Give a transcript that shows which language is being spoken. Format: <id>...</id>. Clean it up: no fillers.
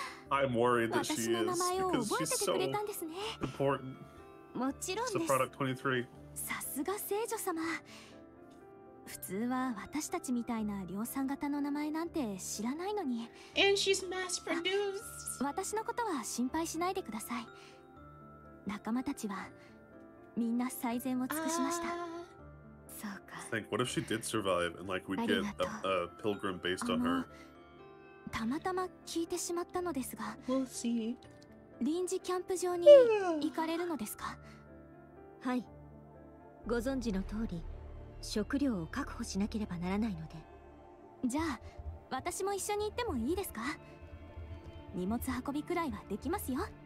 <en>I'm worried that she is, because she's so important.</en> <ja>もちろんです。</ja> <en>So product 23.</en> <ja>さすが聖女様。普通は私たちみたいな量産型の名前なんて知らないのに。</ja> <en>And she's mass produced.</en> <ja>私のことは心配しないでください。仲間たちはみんな最善を尽くしました。</ja> <en>Think, what if she did survive and like we get a pilgrim based on her?</en> <ja>たまたま聞いてしまったのですが。</ja> <en>We'll see.</en> <ja>臨時キャンプ場に行かれるのですか。はい。ご存知の通り、食料を確保しなければならないので。じゃあ、私も一緒に行ってもいいですか。荷物運びくらいはできますよ。</ja>